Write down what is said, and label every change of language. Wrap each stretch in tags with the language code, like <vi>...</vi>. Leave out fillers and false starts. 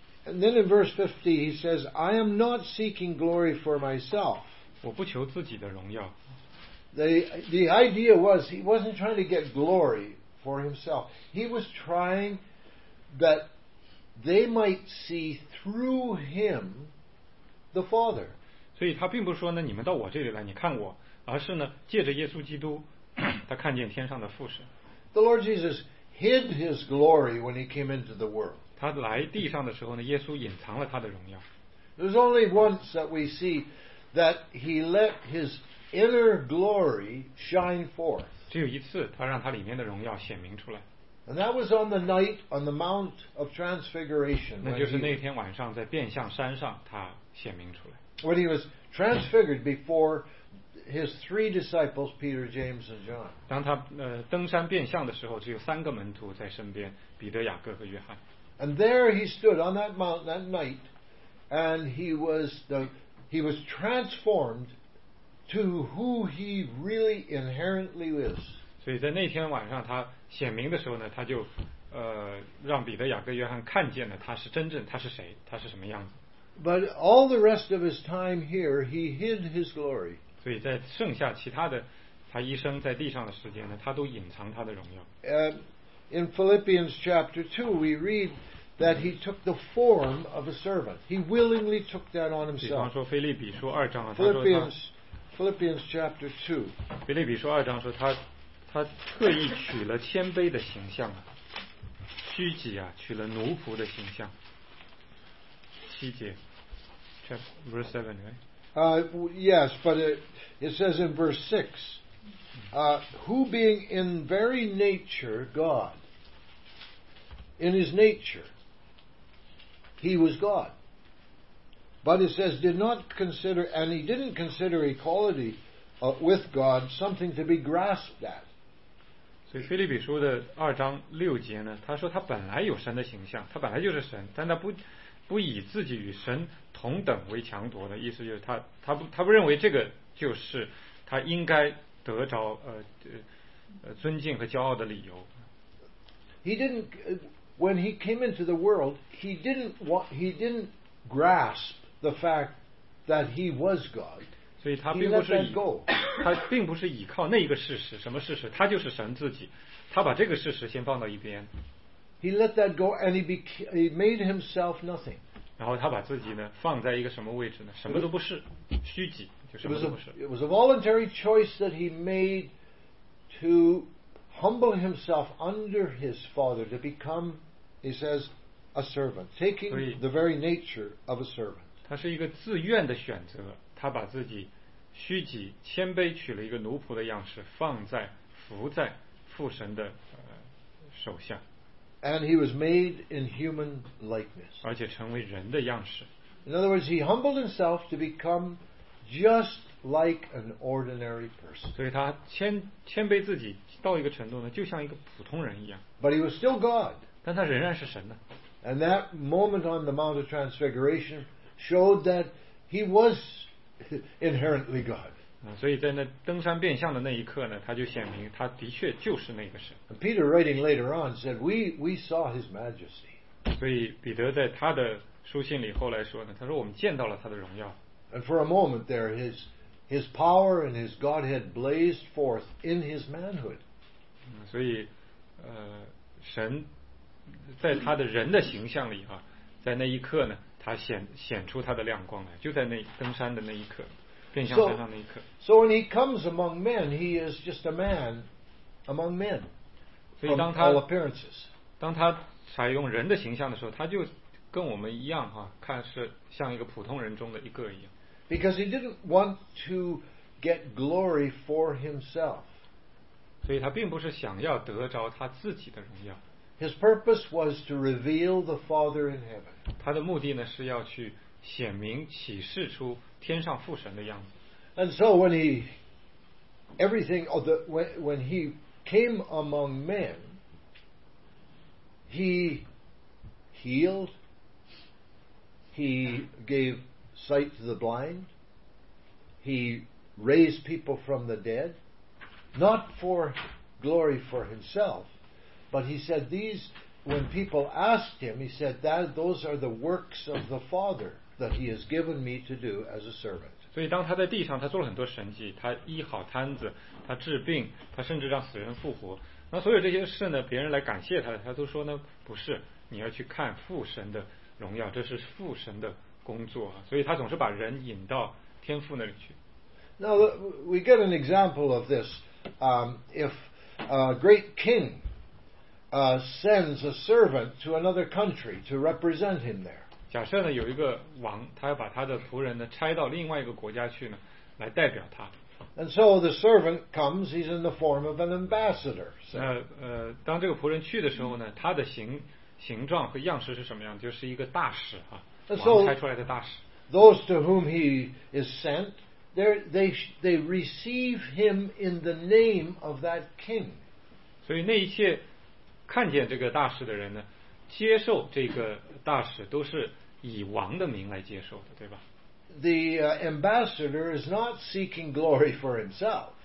<en>And then in verse 50, he says, I am not seeking glory for myself.</en> <zh>我不求自己的荣耀。</zh> <en>The idea was, he wasn't trying to get glory for himself. He was trying that they might see through him the Father.</en> <zh>所以他并不是说呢，你们到我这里来，你看我，而是呢，借着耶稣基督，他看见天上的父神。</zh> <en>The Lord Jesus hid his glory when he came into the world.</en> <zh>他来地上的时候呢，耶稣隐藏了他的荣耀。</zh> <en>There's only once that we see that he let his inner glory shine forth.</en> <zh>只有一次，他让他里面的荣耀显明出来。</zh> <en>And that was on the night on the Mount of Transfiguration.</en> <zh>那就是那天晚上在变相山上，他显明出来。</zh> <en>When he was transfigured before his three disciples, Peter, James, and John.</en> <zh>当他登山变相的时候，只有三个门徒在身边，彼得、雅各和约翰。</zh> <en>And there he stood on that mount that night, and he was transformed to who he really inherently is.</en> <zh>所以在那天晚上他显明的时候呢，他就让彼得、雅各、约翰看见了他是真正，他是谁，他是什么样子。</zh> <en>But all the rest of his time here, he hid his glory.</en> <zh>所以在剩下其他的他一生在地上的时间呢，他都隐藏他的荣耀。</zh> <en>In Philippians chapter 2, we read that he took the form of a servant. He willingly took that on himself.</en> <zh>比方说腓立比书二章啊，</zh> <en>Philippians chapter 2.</en> <zh>腓立比书二章说他特意取了谦卑的形象啊，虚己啊，取了奴仆的形象。七节</zh> <en>，verse seven, right? Yes, but it says in verse 6, who being in very nature God, in his nature, he was God. But it says did not consider, and he didn't consider equality with God something to be grasped at.</en> <zh>所以腓立比书的二章六节呢，他说他本来有神的形象，他本来就是神，但他不以自己与神同等为强夺的，意思就是他不认为这个就是他应该得着尊敬和骄傲的理由。</zh> <en>He didn't when he came into the world, he didn't grasp the fact that he was God.</en> <zh>所以他并不是以他并不是依靠那个事实，什么事实？他就是神自己，他把这个事实先放到一边。</zh> <en>He let that go and he made himself nothing.</en> <zh>然后他把自己呢放在一个什么位置呢？什么都不是，虚己，就什么都不是。</zh> <en>It was a voluntary choice that he made to humble himself under his father to become, he says, a servant, taking the very nature of a servant.</en> <zh>他是一个自愿的选择。他把自己虚己谦卑取了一个奴仆的样式放在伏在父神的手下。</zh> <en>And he was made in human likeness.</en> <zh>而且成为人的样式。</zh> <en>In other words, he humbled himself to become just like an ordinary person.</en> <zh>所以他谦卑自己到一个程度呢，就像一个普通人一样。</zh> <en>But he was still God.</en> <zh>但他仍然是神呢。</zh> <en>And that moment on the Mount of Transfiguration showed that he was inherently God.</en> <zh>所以在那登山变相的那一刻呢，他就显明他的确就是那个神。</zh> <en>And Peter writing later on said, we saw his majesty.</en> <zh>所以彼得在他的书信里后来说呢，他说我们见到了他的荣耀。</zh> <en>And for a moment there, his power and his Godhead blazed forth in his manhood.</en> <zh>所以神在他的人的形象里啊，在那一刻呢，他 显出他的亮光来，就在那登山的那一刻，变相山上那一刻。</zh> <en>So when he comes among men, he is just a man among men.</en> <zh>所以当他</zh> <en>all appearances.</en> <zh>当他采用人的形象的时候，他就跟我们一样哈，看是像一个普通人中的一个一样。</zh> <en>Because he didn't want to get glory for himself.</en> <zh>所以他并不是想要得着他自己的荣耀。</zh> <en>His purpose was to reveal the Father in heaven.</en> <zh>他的目的呢是要去显明启示出天上父神的样子。</zh> <en>And so when he everything or the when he came among men, he healed. He gave sight to the blind. He raised people from the dead, not for glory for himself. But he said these, when people asked him, he said that those are the works of the Father that he has given me to do as a servant.</en> <zh>所以当他在地上，他做了很多神迹，他医好瘫子，他治病，他甚至让死人复活。那所有这些事呢，别人来感谢他，他都说呢，不是，你要去看父神的荣耀，这是父神的工作。所以他总是把人引到天父那里去。</zh> <en>Now we get an example of this. If a great king sends a servant to another country to represent him there.</en> <zh>假设呢有一个王，他要把他的仆人呢差到另外一个国家去呢，来代表他。</zh> <en>And so the servant comes, he's in the form of an ambassador.</en> <zh>当这个仆人去的时候呢，他的形状和样式是什么样？就是一个大使啊，王差出来的大使。</zh> <en>Those to whom he is sent, they receive him in the name of that king.</en> <zh>所以那一切。看见这个大使的人呢，接受这个大使都是以王的名来接受的，对吧？</zh> <en>The ambassador is not seeking glory for himself.</en>